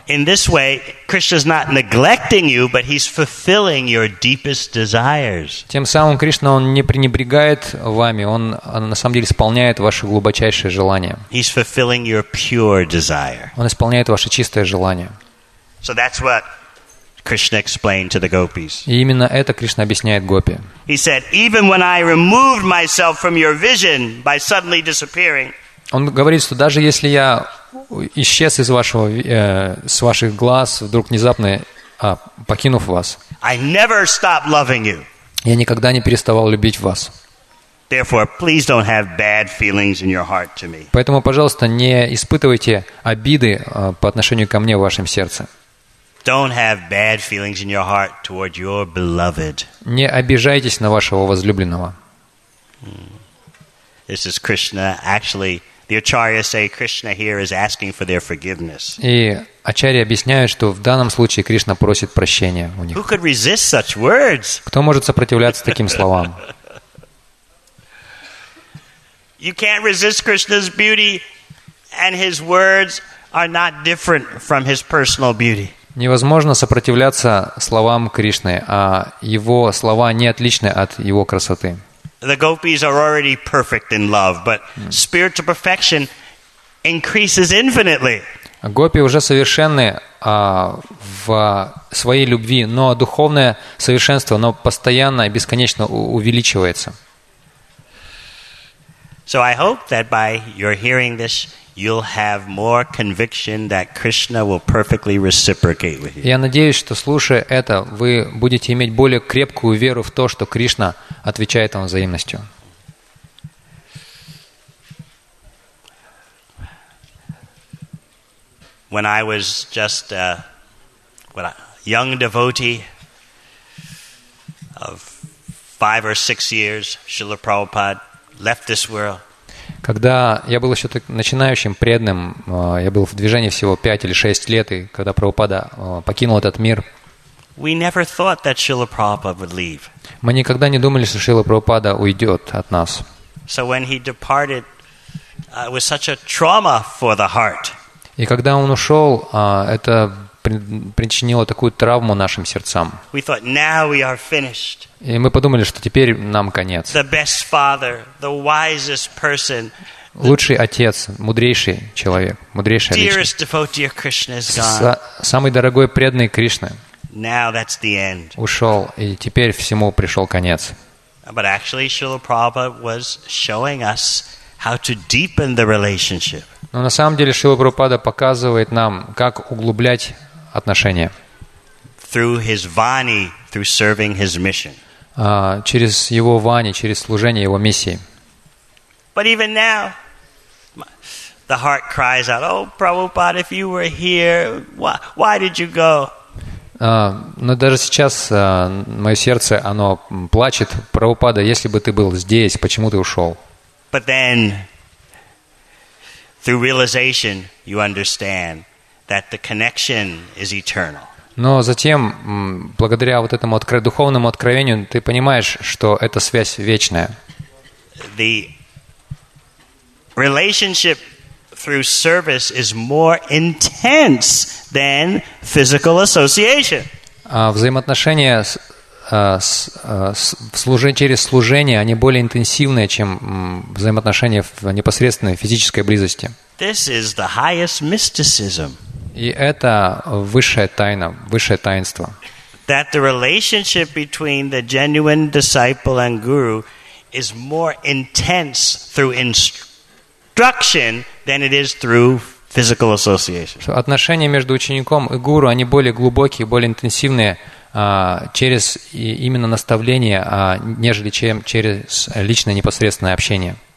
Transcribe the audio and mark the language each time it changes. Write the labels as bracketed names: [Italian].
[English] In this way, Krishna's not neglecting you, but he's fulfilling your deepest desires. [Russian] Тем самым Кришна, он не пренебрегает вами, он на самом деле исполняет ваши глубочайшие желания. [English] He's fulfilling your pure desire. [Russian] Он исполняет ваше чистое желание. [English] So that's what Krishna explained to the gopis. [Russian] И именно это Кришна объясняет гопи. [English] He said, even when I removed myself from your vision by suddenly disappearing. [Russian] Он говорит, что даже если я исчез из вашего с ваших глаз вдруг внезапно покинув вас. [English] I never stopped loving you. [Russian] Я никогда не переставал любить вас. [English] Therefore, please don't have bad feelings in your heart to me. [Russian] Поэтому, пожалуйста, не испытывайте обиды по отношению ко мне в вашем сердце. [English] Don't have bad feelings in your heart toward your beloved. [Russian] Не обижайтесь на вашего возлюбленного. [English] This is Krishna. Actually, the acharyas say Krishna here is asking for their forgiveness. [Russian] И ачарьи объясняют, что в данном случае Кришна просит прощения у них. [English] Who could resist such words? [Russian] Кто может сопротивляться таким словам? [English] You can't resist Krishna's beauty, and his words are not different from his personal beauty. [Russian] Невозможно сопротивляться словам Кришны, а его слова не отличны от его красоты. [English] The gopis are already perfect in love, but spiritual perfection increases infinitely. [Russian] Гопи уже совершенны в своей любви, но духовное совершенство, оно постоянно и бесконечно увеличивается. [English] So I hope that by your hearing this, you'll have more conviction that Krishna will perfectly reciprocate with you. [Russian] Я надеюсь, что слушая это, вы будете иметь более крепкую веру в то, что Кришна отвечает вам взаимностью. [English] When I was just a young devotee of 5 or 6 years, Srila Prabhupada left this world. [Russian] Когда я был еще так начинающим, преданным, я был в движении всего 5 или 6 лет, и когда Прабхупада покинул этот мир, [English] we never thought that Srila Prabhupada would leave. [Russian] Мы никогда не думали, что Шрила Прабхупада уйдет от нас. [English] So when he departed, it was such a trauma for the heart. [Russian] И когда он ушел, это причинило такую травму нашим сердцам. [English] We thought, now we are finished. [Russian] И мы подумали, что теперь нам конец. [English] The best father, the wisest person, [Russian] лучший отец, мудрейший человек, мудрейшая личность. [English] Dearest devotee of Krishna is gone. [Russian] Самый дорогой преданный Кришна. [English] Now that's the end. [Russian] Ушел, и теперь всему пришел конец. [English] But actually, Srila Prabhupada was showing us how to deepen the relationship. [Russian] Но на самом деле Шрила Прабхупада показывает нам, как углублять отношения. [English] Through his vani, through serving his mission. [Russian] Через его вани, через служение его миссии. [English] But even now, the heart cries out, "Oh, Prabhupada, if you were here, why did you go?" [Russian] Но даже сейчас мое сердце, оно плачет, Прабхупада, если бы ты был здесь, почему ты ушел? [English] But then, through realization, you understand that the connection is eternal. [Russian] Но затем, благодаря вот этому духовному откровению, ты понимаешь, что эта связь вечная. [English] The relationship through service is more intense than physical association. [Russian] Взаимоотношения через служение, они более интенсивные, чем взаимоотношения в непосредственной физической близости. [English] This is the highest mysticism. [Russian] И это высшая тайна, высшее таинство. [English] That the relationship between the genuine disciple and guru is more intense through instruction than it is through physical association. [Russian] Отношения между учеником и гуру, они более глубокие, более интенсивные через именно наставление, нежели чем через личное непосредственное общение.